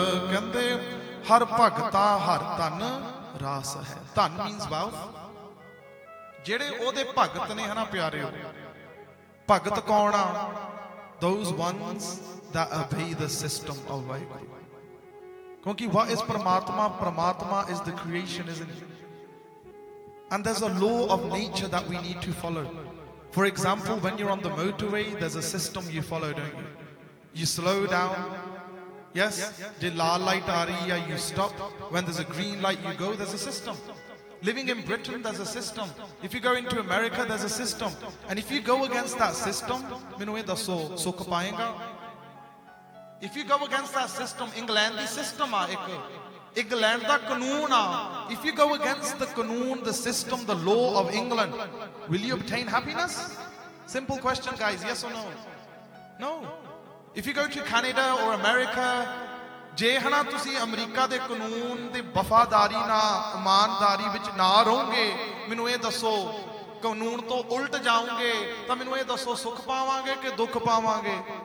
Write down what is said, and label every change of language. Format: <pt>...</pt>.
<pa>ਕਹਿੰਦੇ ਹਰ ਭਗਤਾਂ ਹਰ ਧਨ ਰਾਸ ਹੈ,</pa> <en>dhan means wealth,</en> <pa>ਜਿਹੜੇ ਉਹਦੇ ਭਗਤ ਨੇ, ਹਨਾ ਪਿਆਰਿਓ। ਭਗਤ ਕੌਣ ਆ?</pa> <en>Those ones that obey the system of Vaikuntha. Because what is Paramatma? Paramatma is the creation, isn't it? And there's a law of nature that we need to follow. For example, when you're on the motorway, there's a system you follow, don't you? You slow down. Yes?</en> <pa>Jo lal light aa rahi hai,</pa> <en>you stop. When there's a green light, you go. There's a system. Living in Britain, there's a system. If you go into America, there's a system. And if you go against that system,</en> <pa>minu eh dasso sukh payega?</pa> <en>If you go against that system,</en> <pa>England di system aa ik, England da kanoon aa,</pa> <en>if you go against the kanoon, the system, the law of England, will you obtain happiness? Simple question, guys, yes or no? No. If you go to Canada or America,</en> <pa>ਜੇ ਹਨਾ ਤੁਸੀਂ America ਦੇ ਕਾਨੂੰਨ ਦੇ ਵਫਾਦਾਰੀ ਨਾਲ, ਇਮਾਨਦਾਰੀ ਵਿੱਚ ਨਾ ਰਹੋਗੇ, ਮੈਨੂੰ ਇਹ ਦੱਸੋ, ਕਾਨੂੰਨ ਤੋਂ ਉਲਟ ਜਾਓਗੇ, ਤਾਂ ਮੈਨੂੰ ਇਹ ਦੱਸੋ, ਸੁੱਖ ਪਾਵਾਂਗੇ ਕਿ ਦੁੱਖ ਪਾਵਾਂਗੇ?</pa>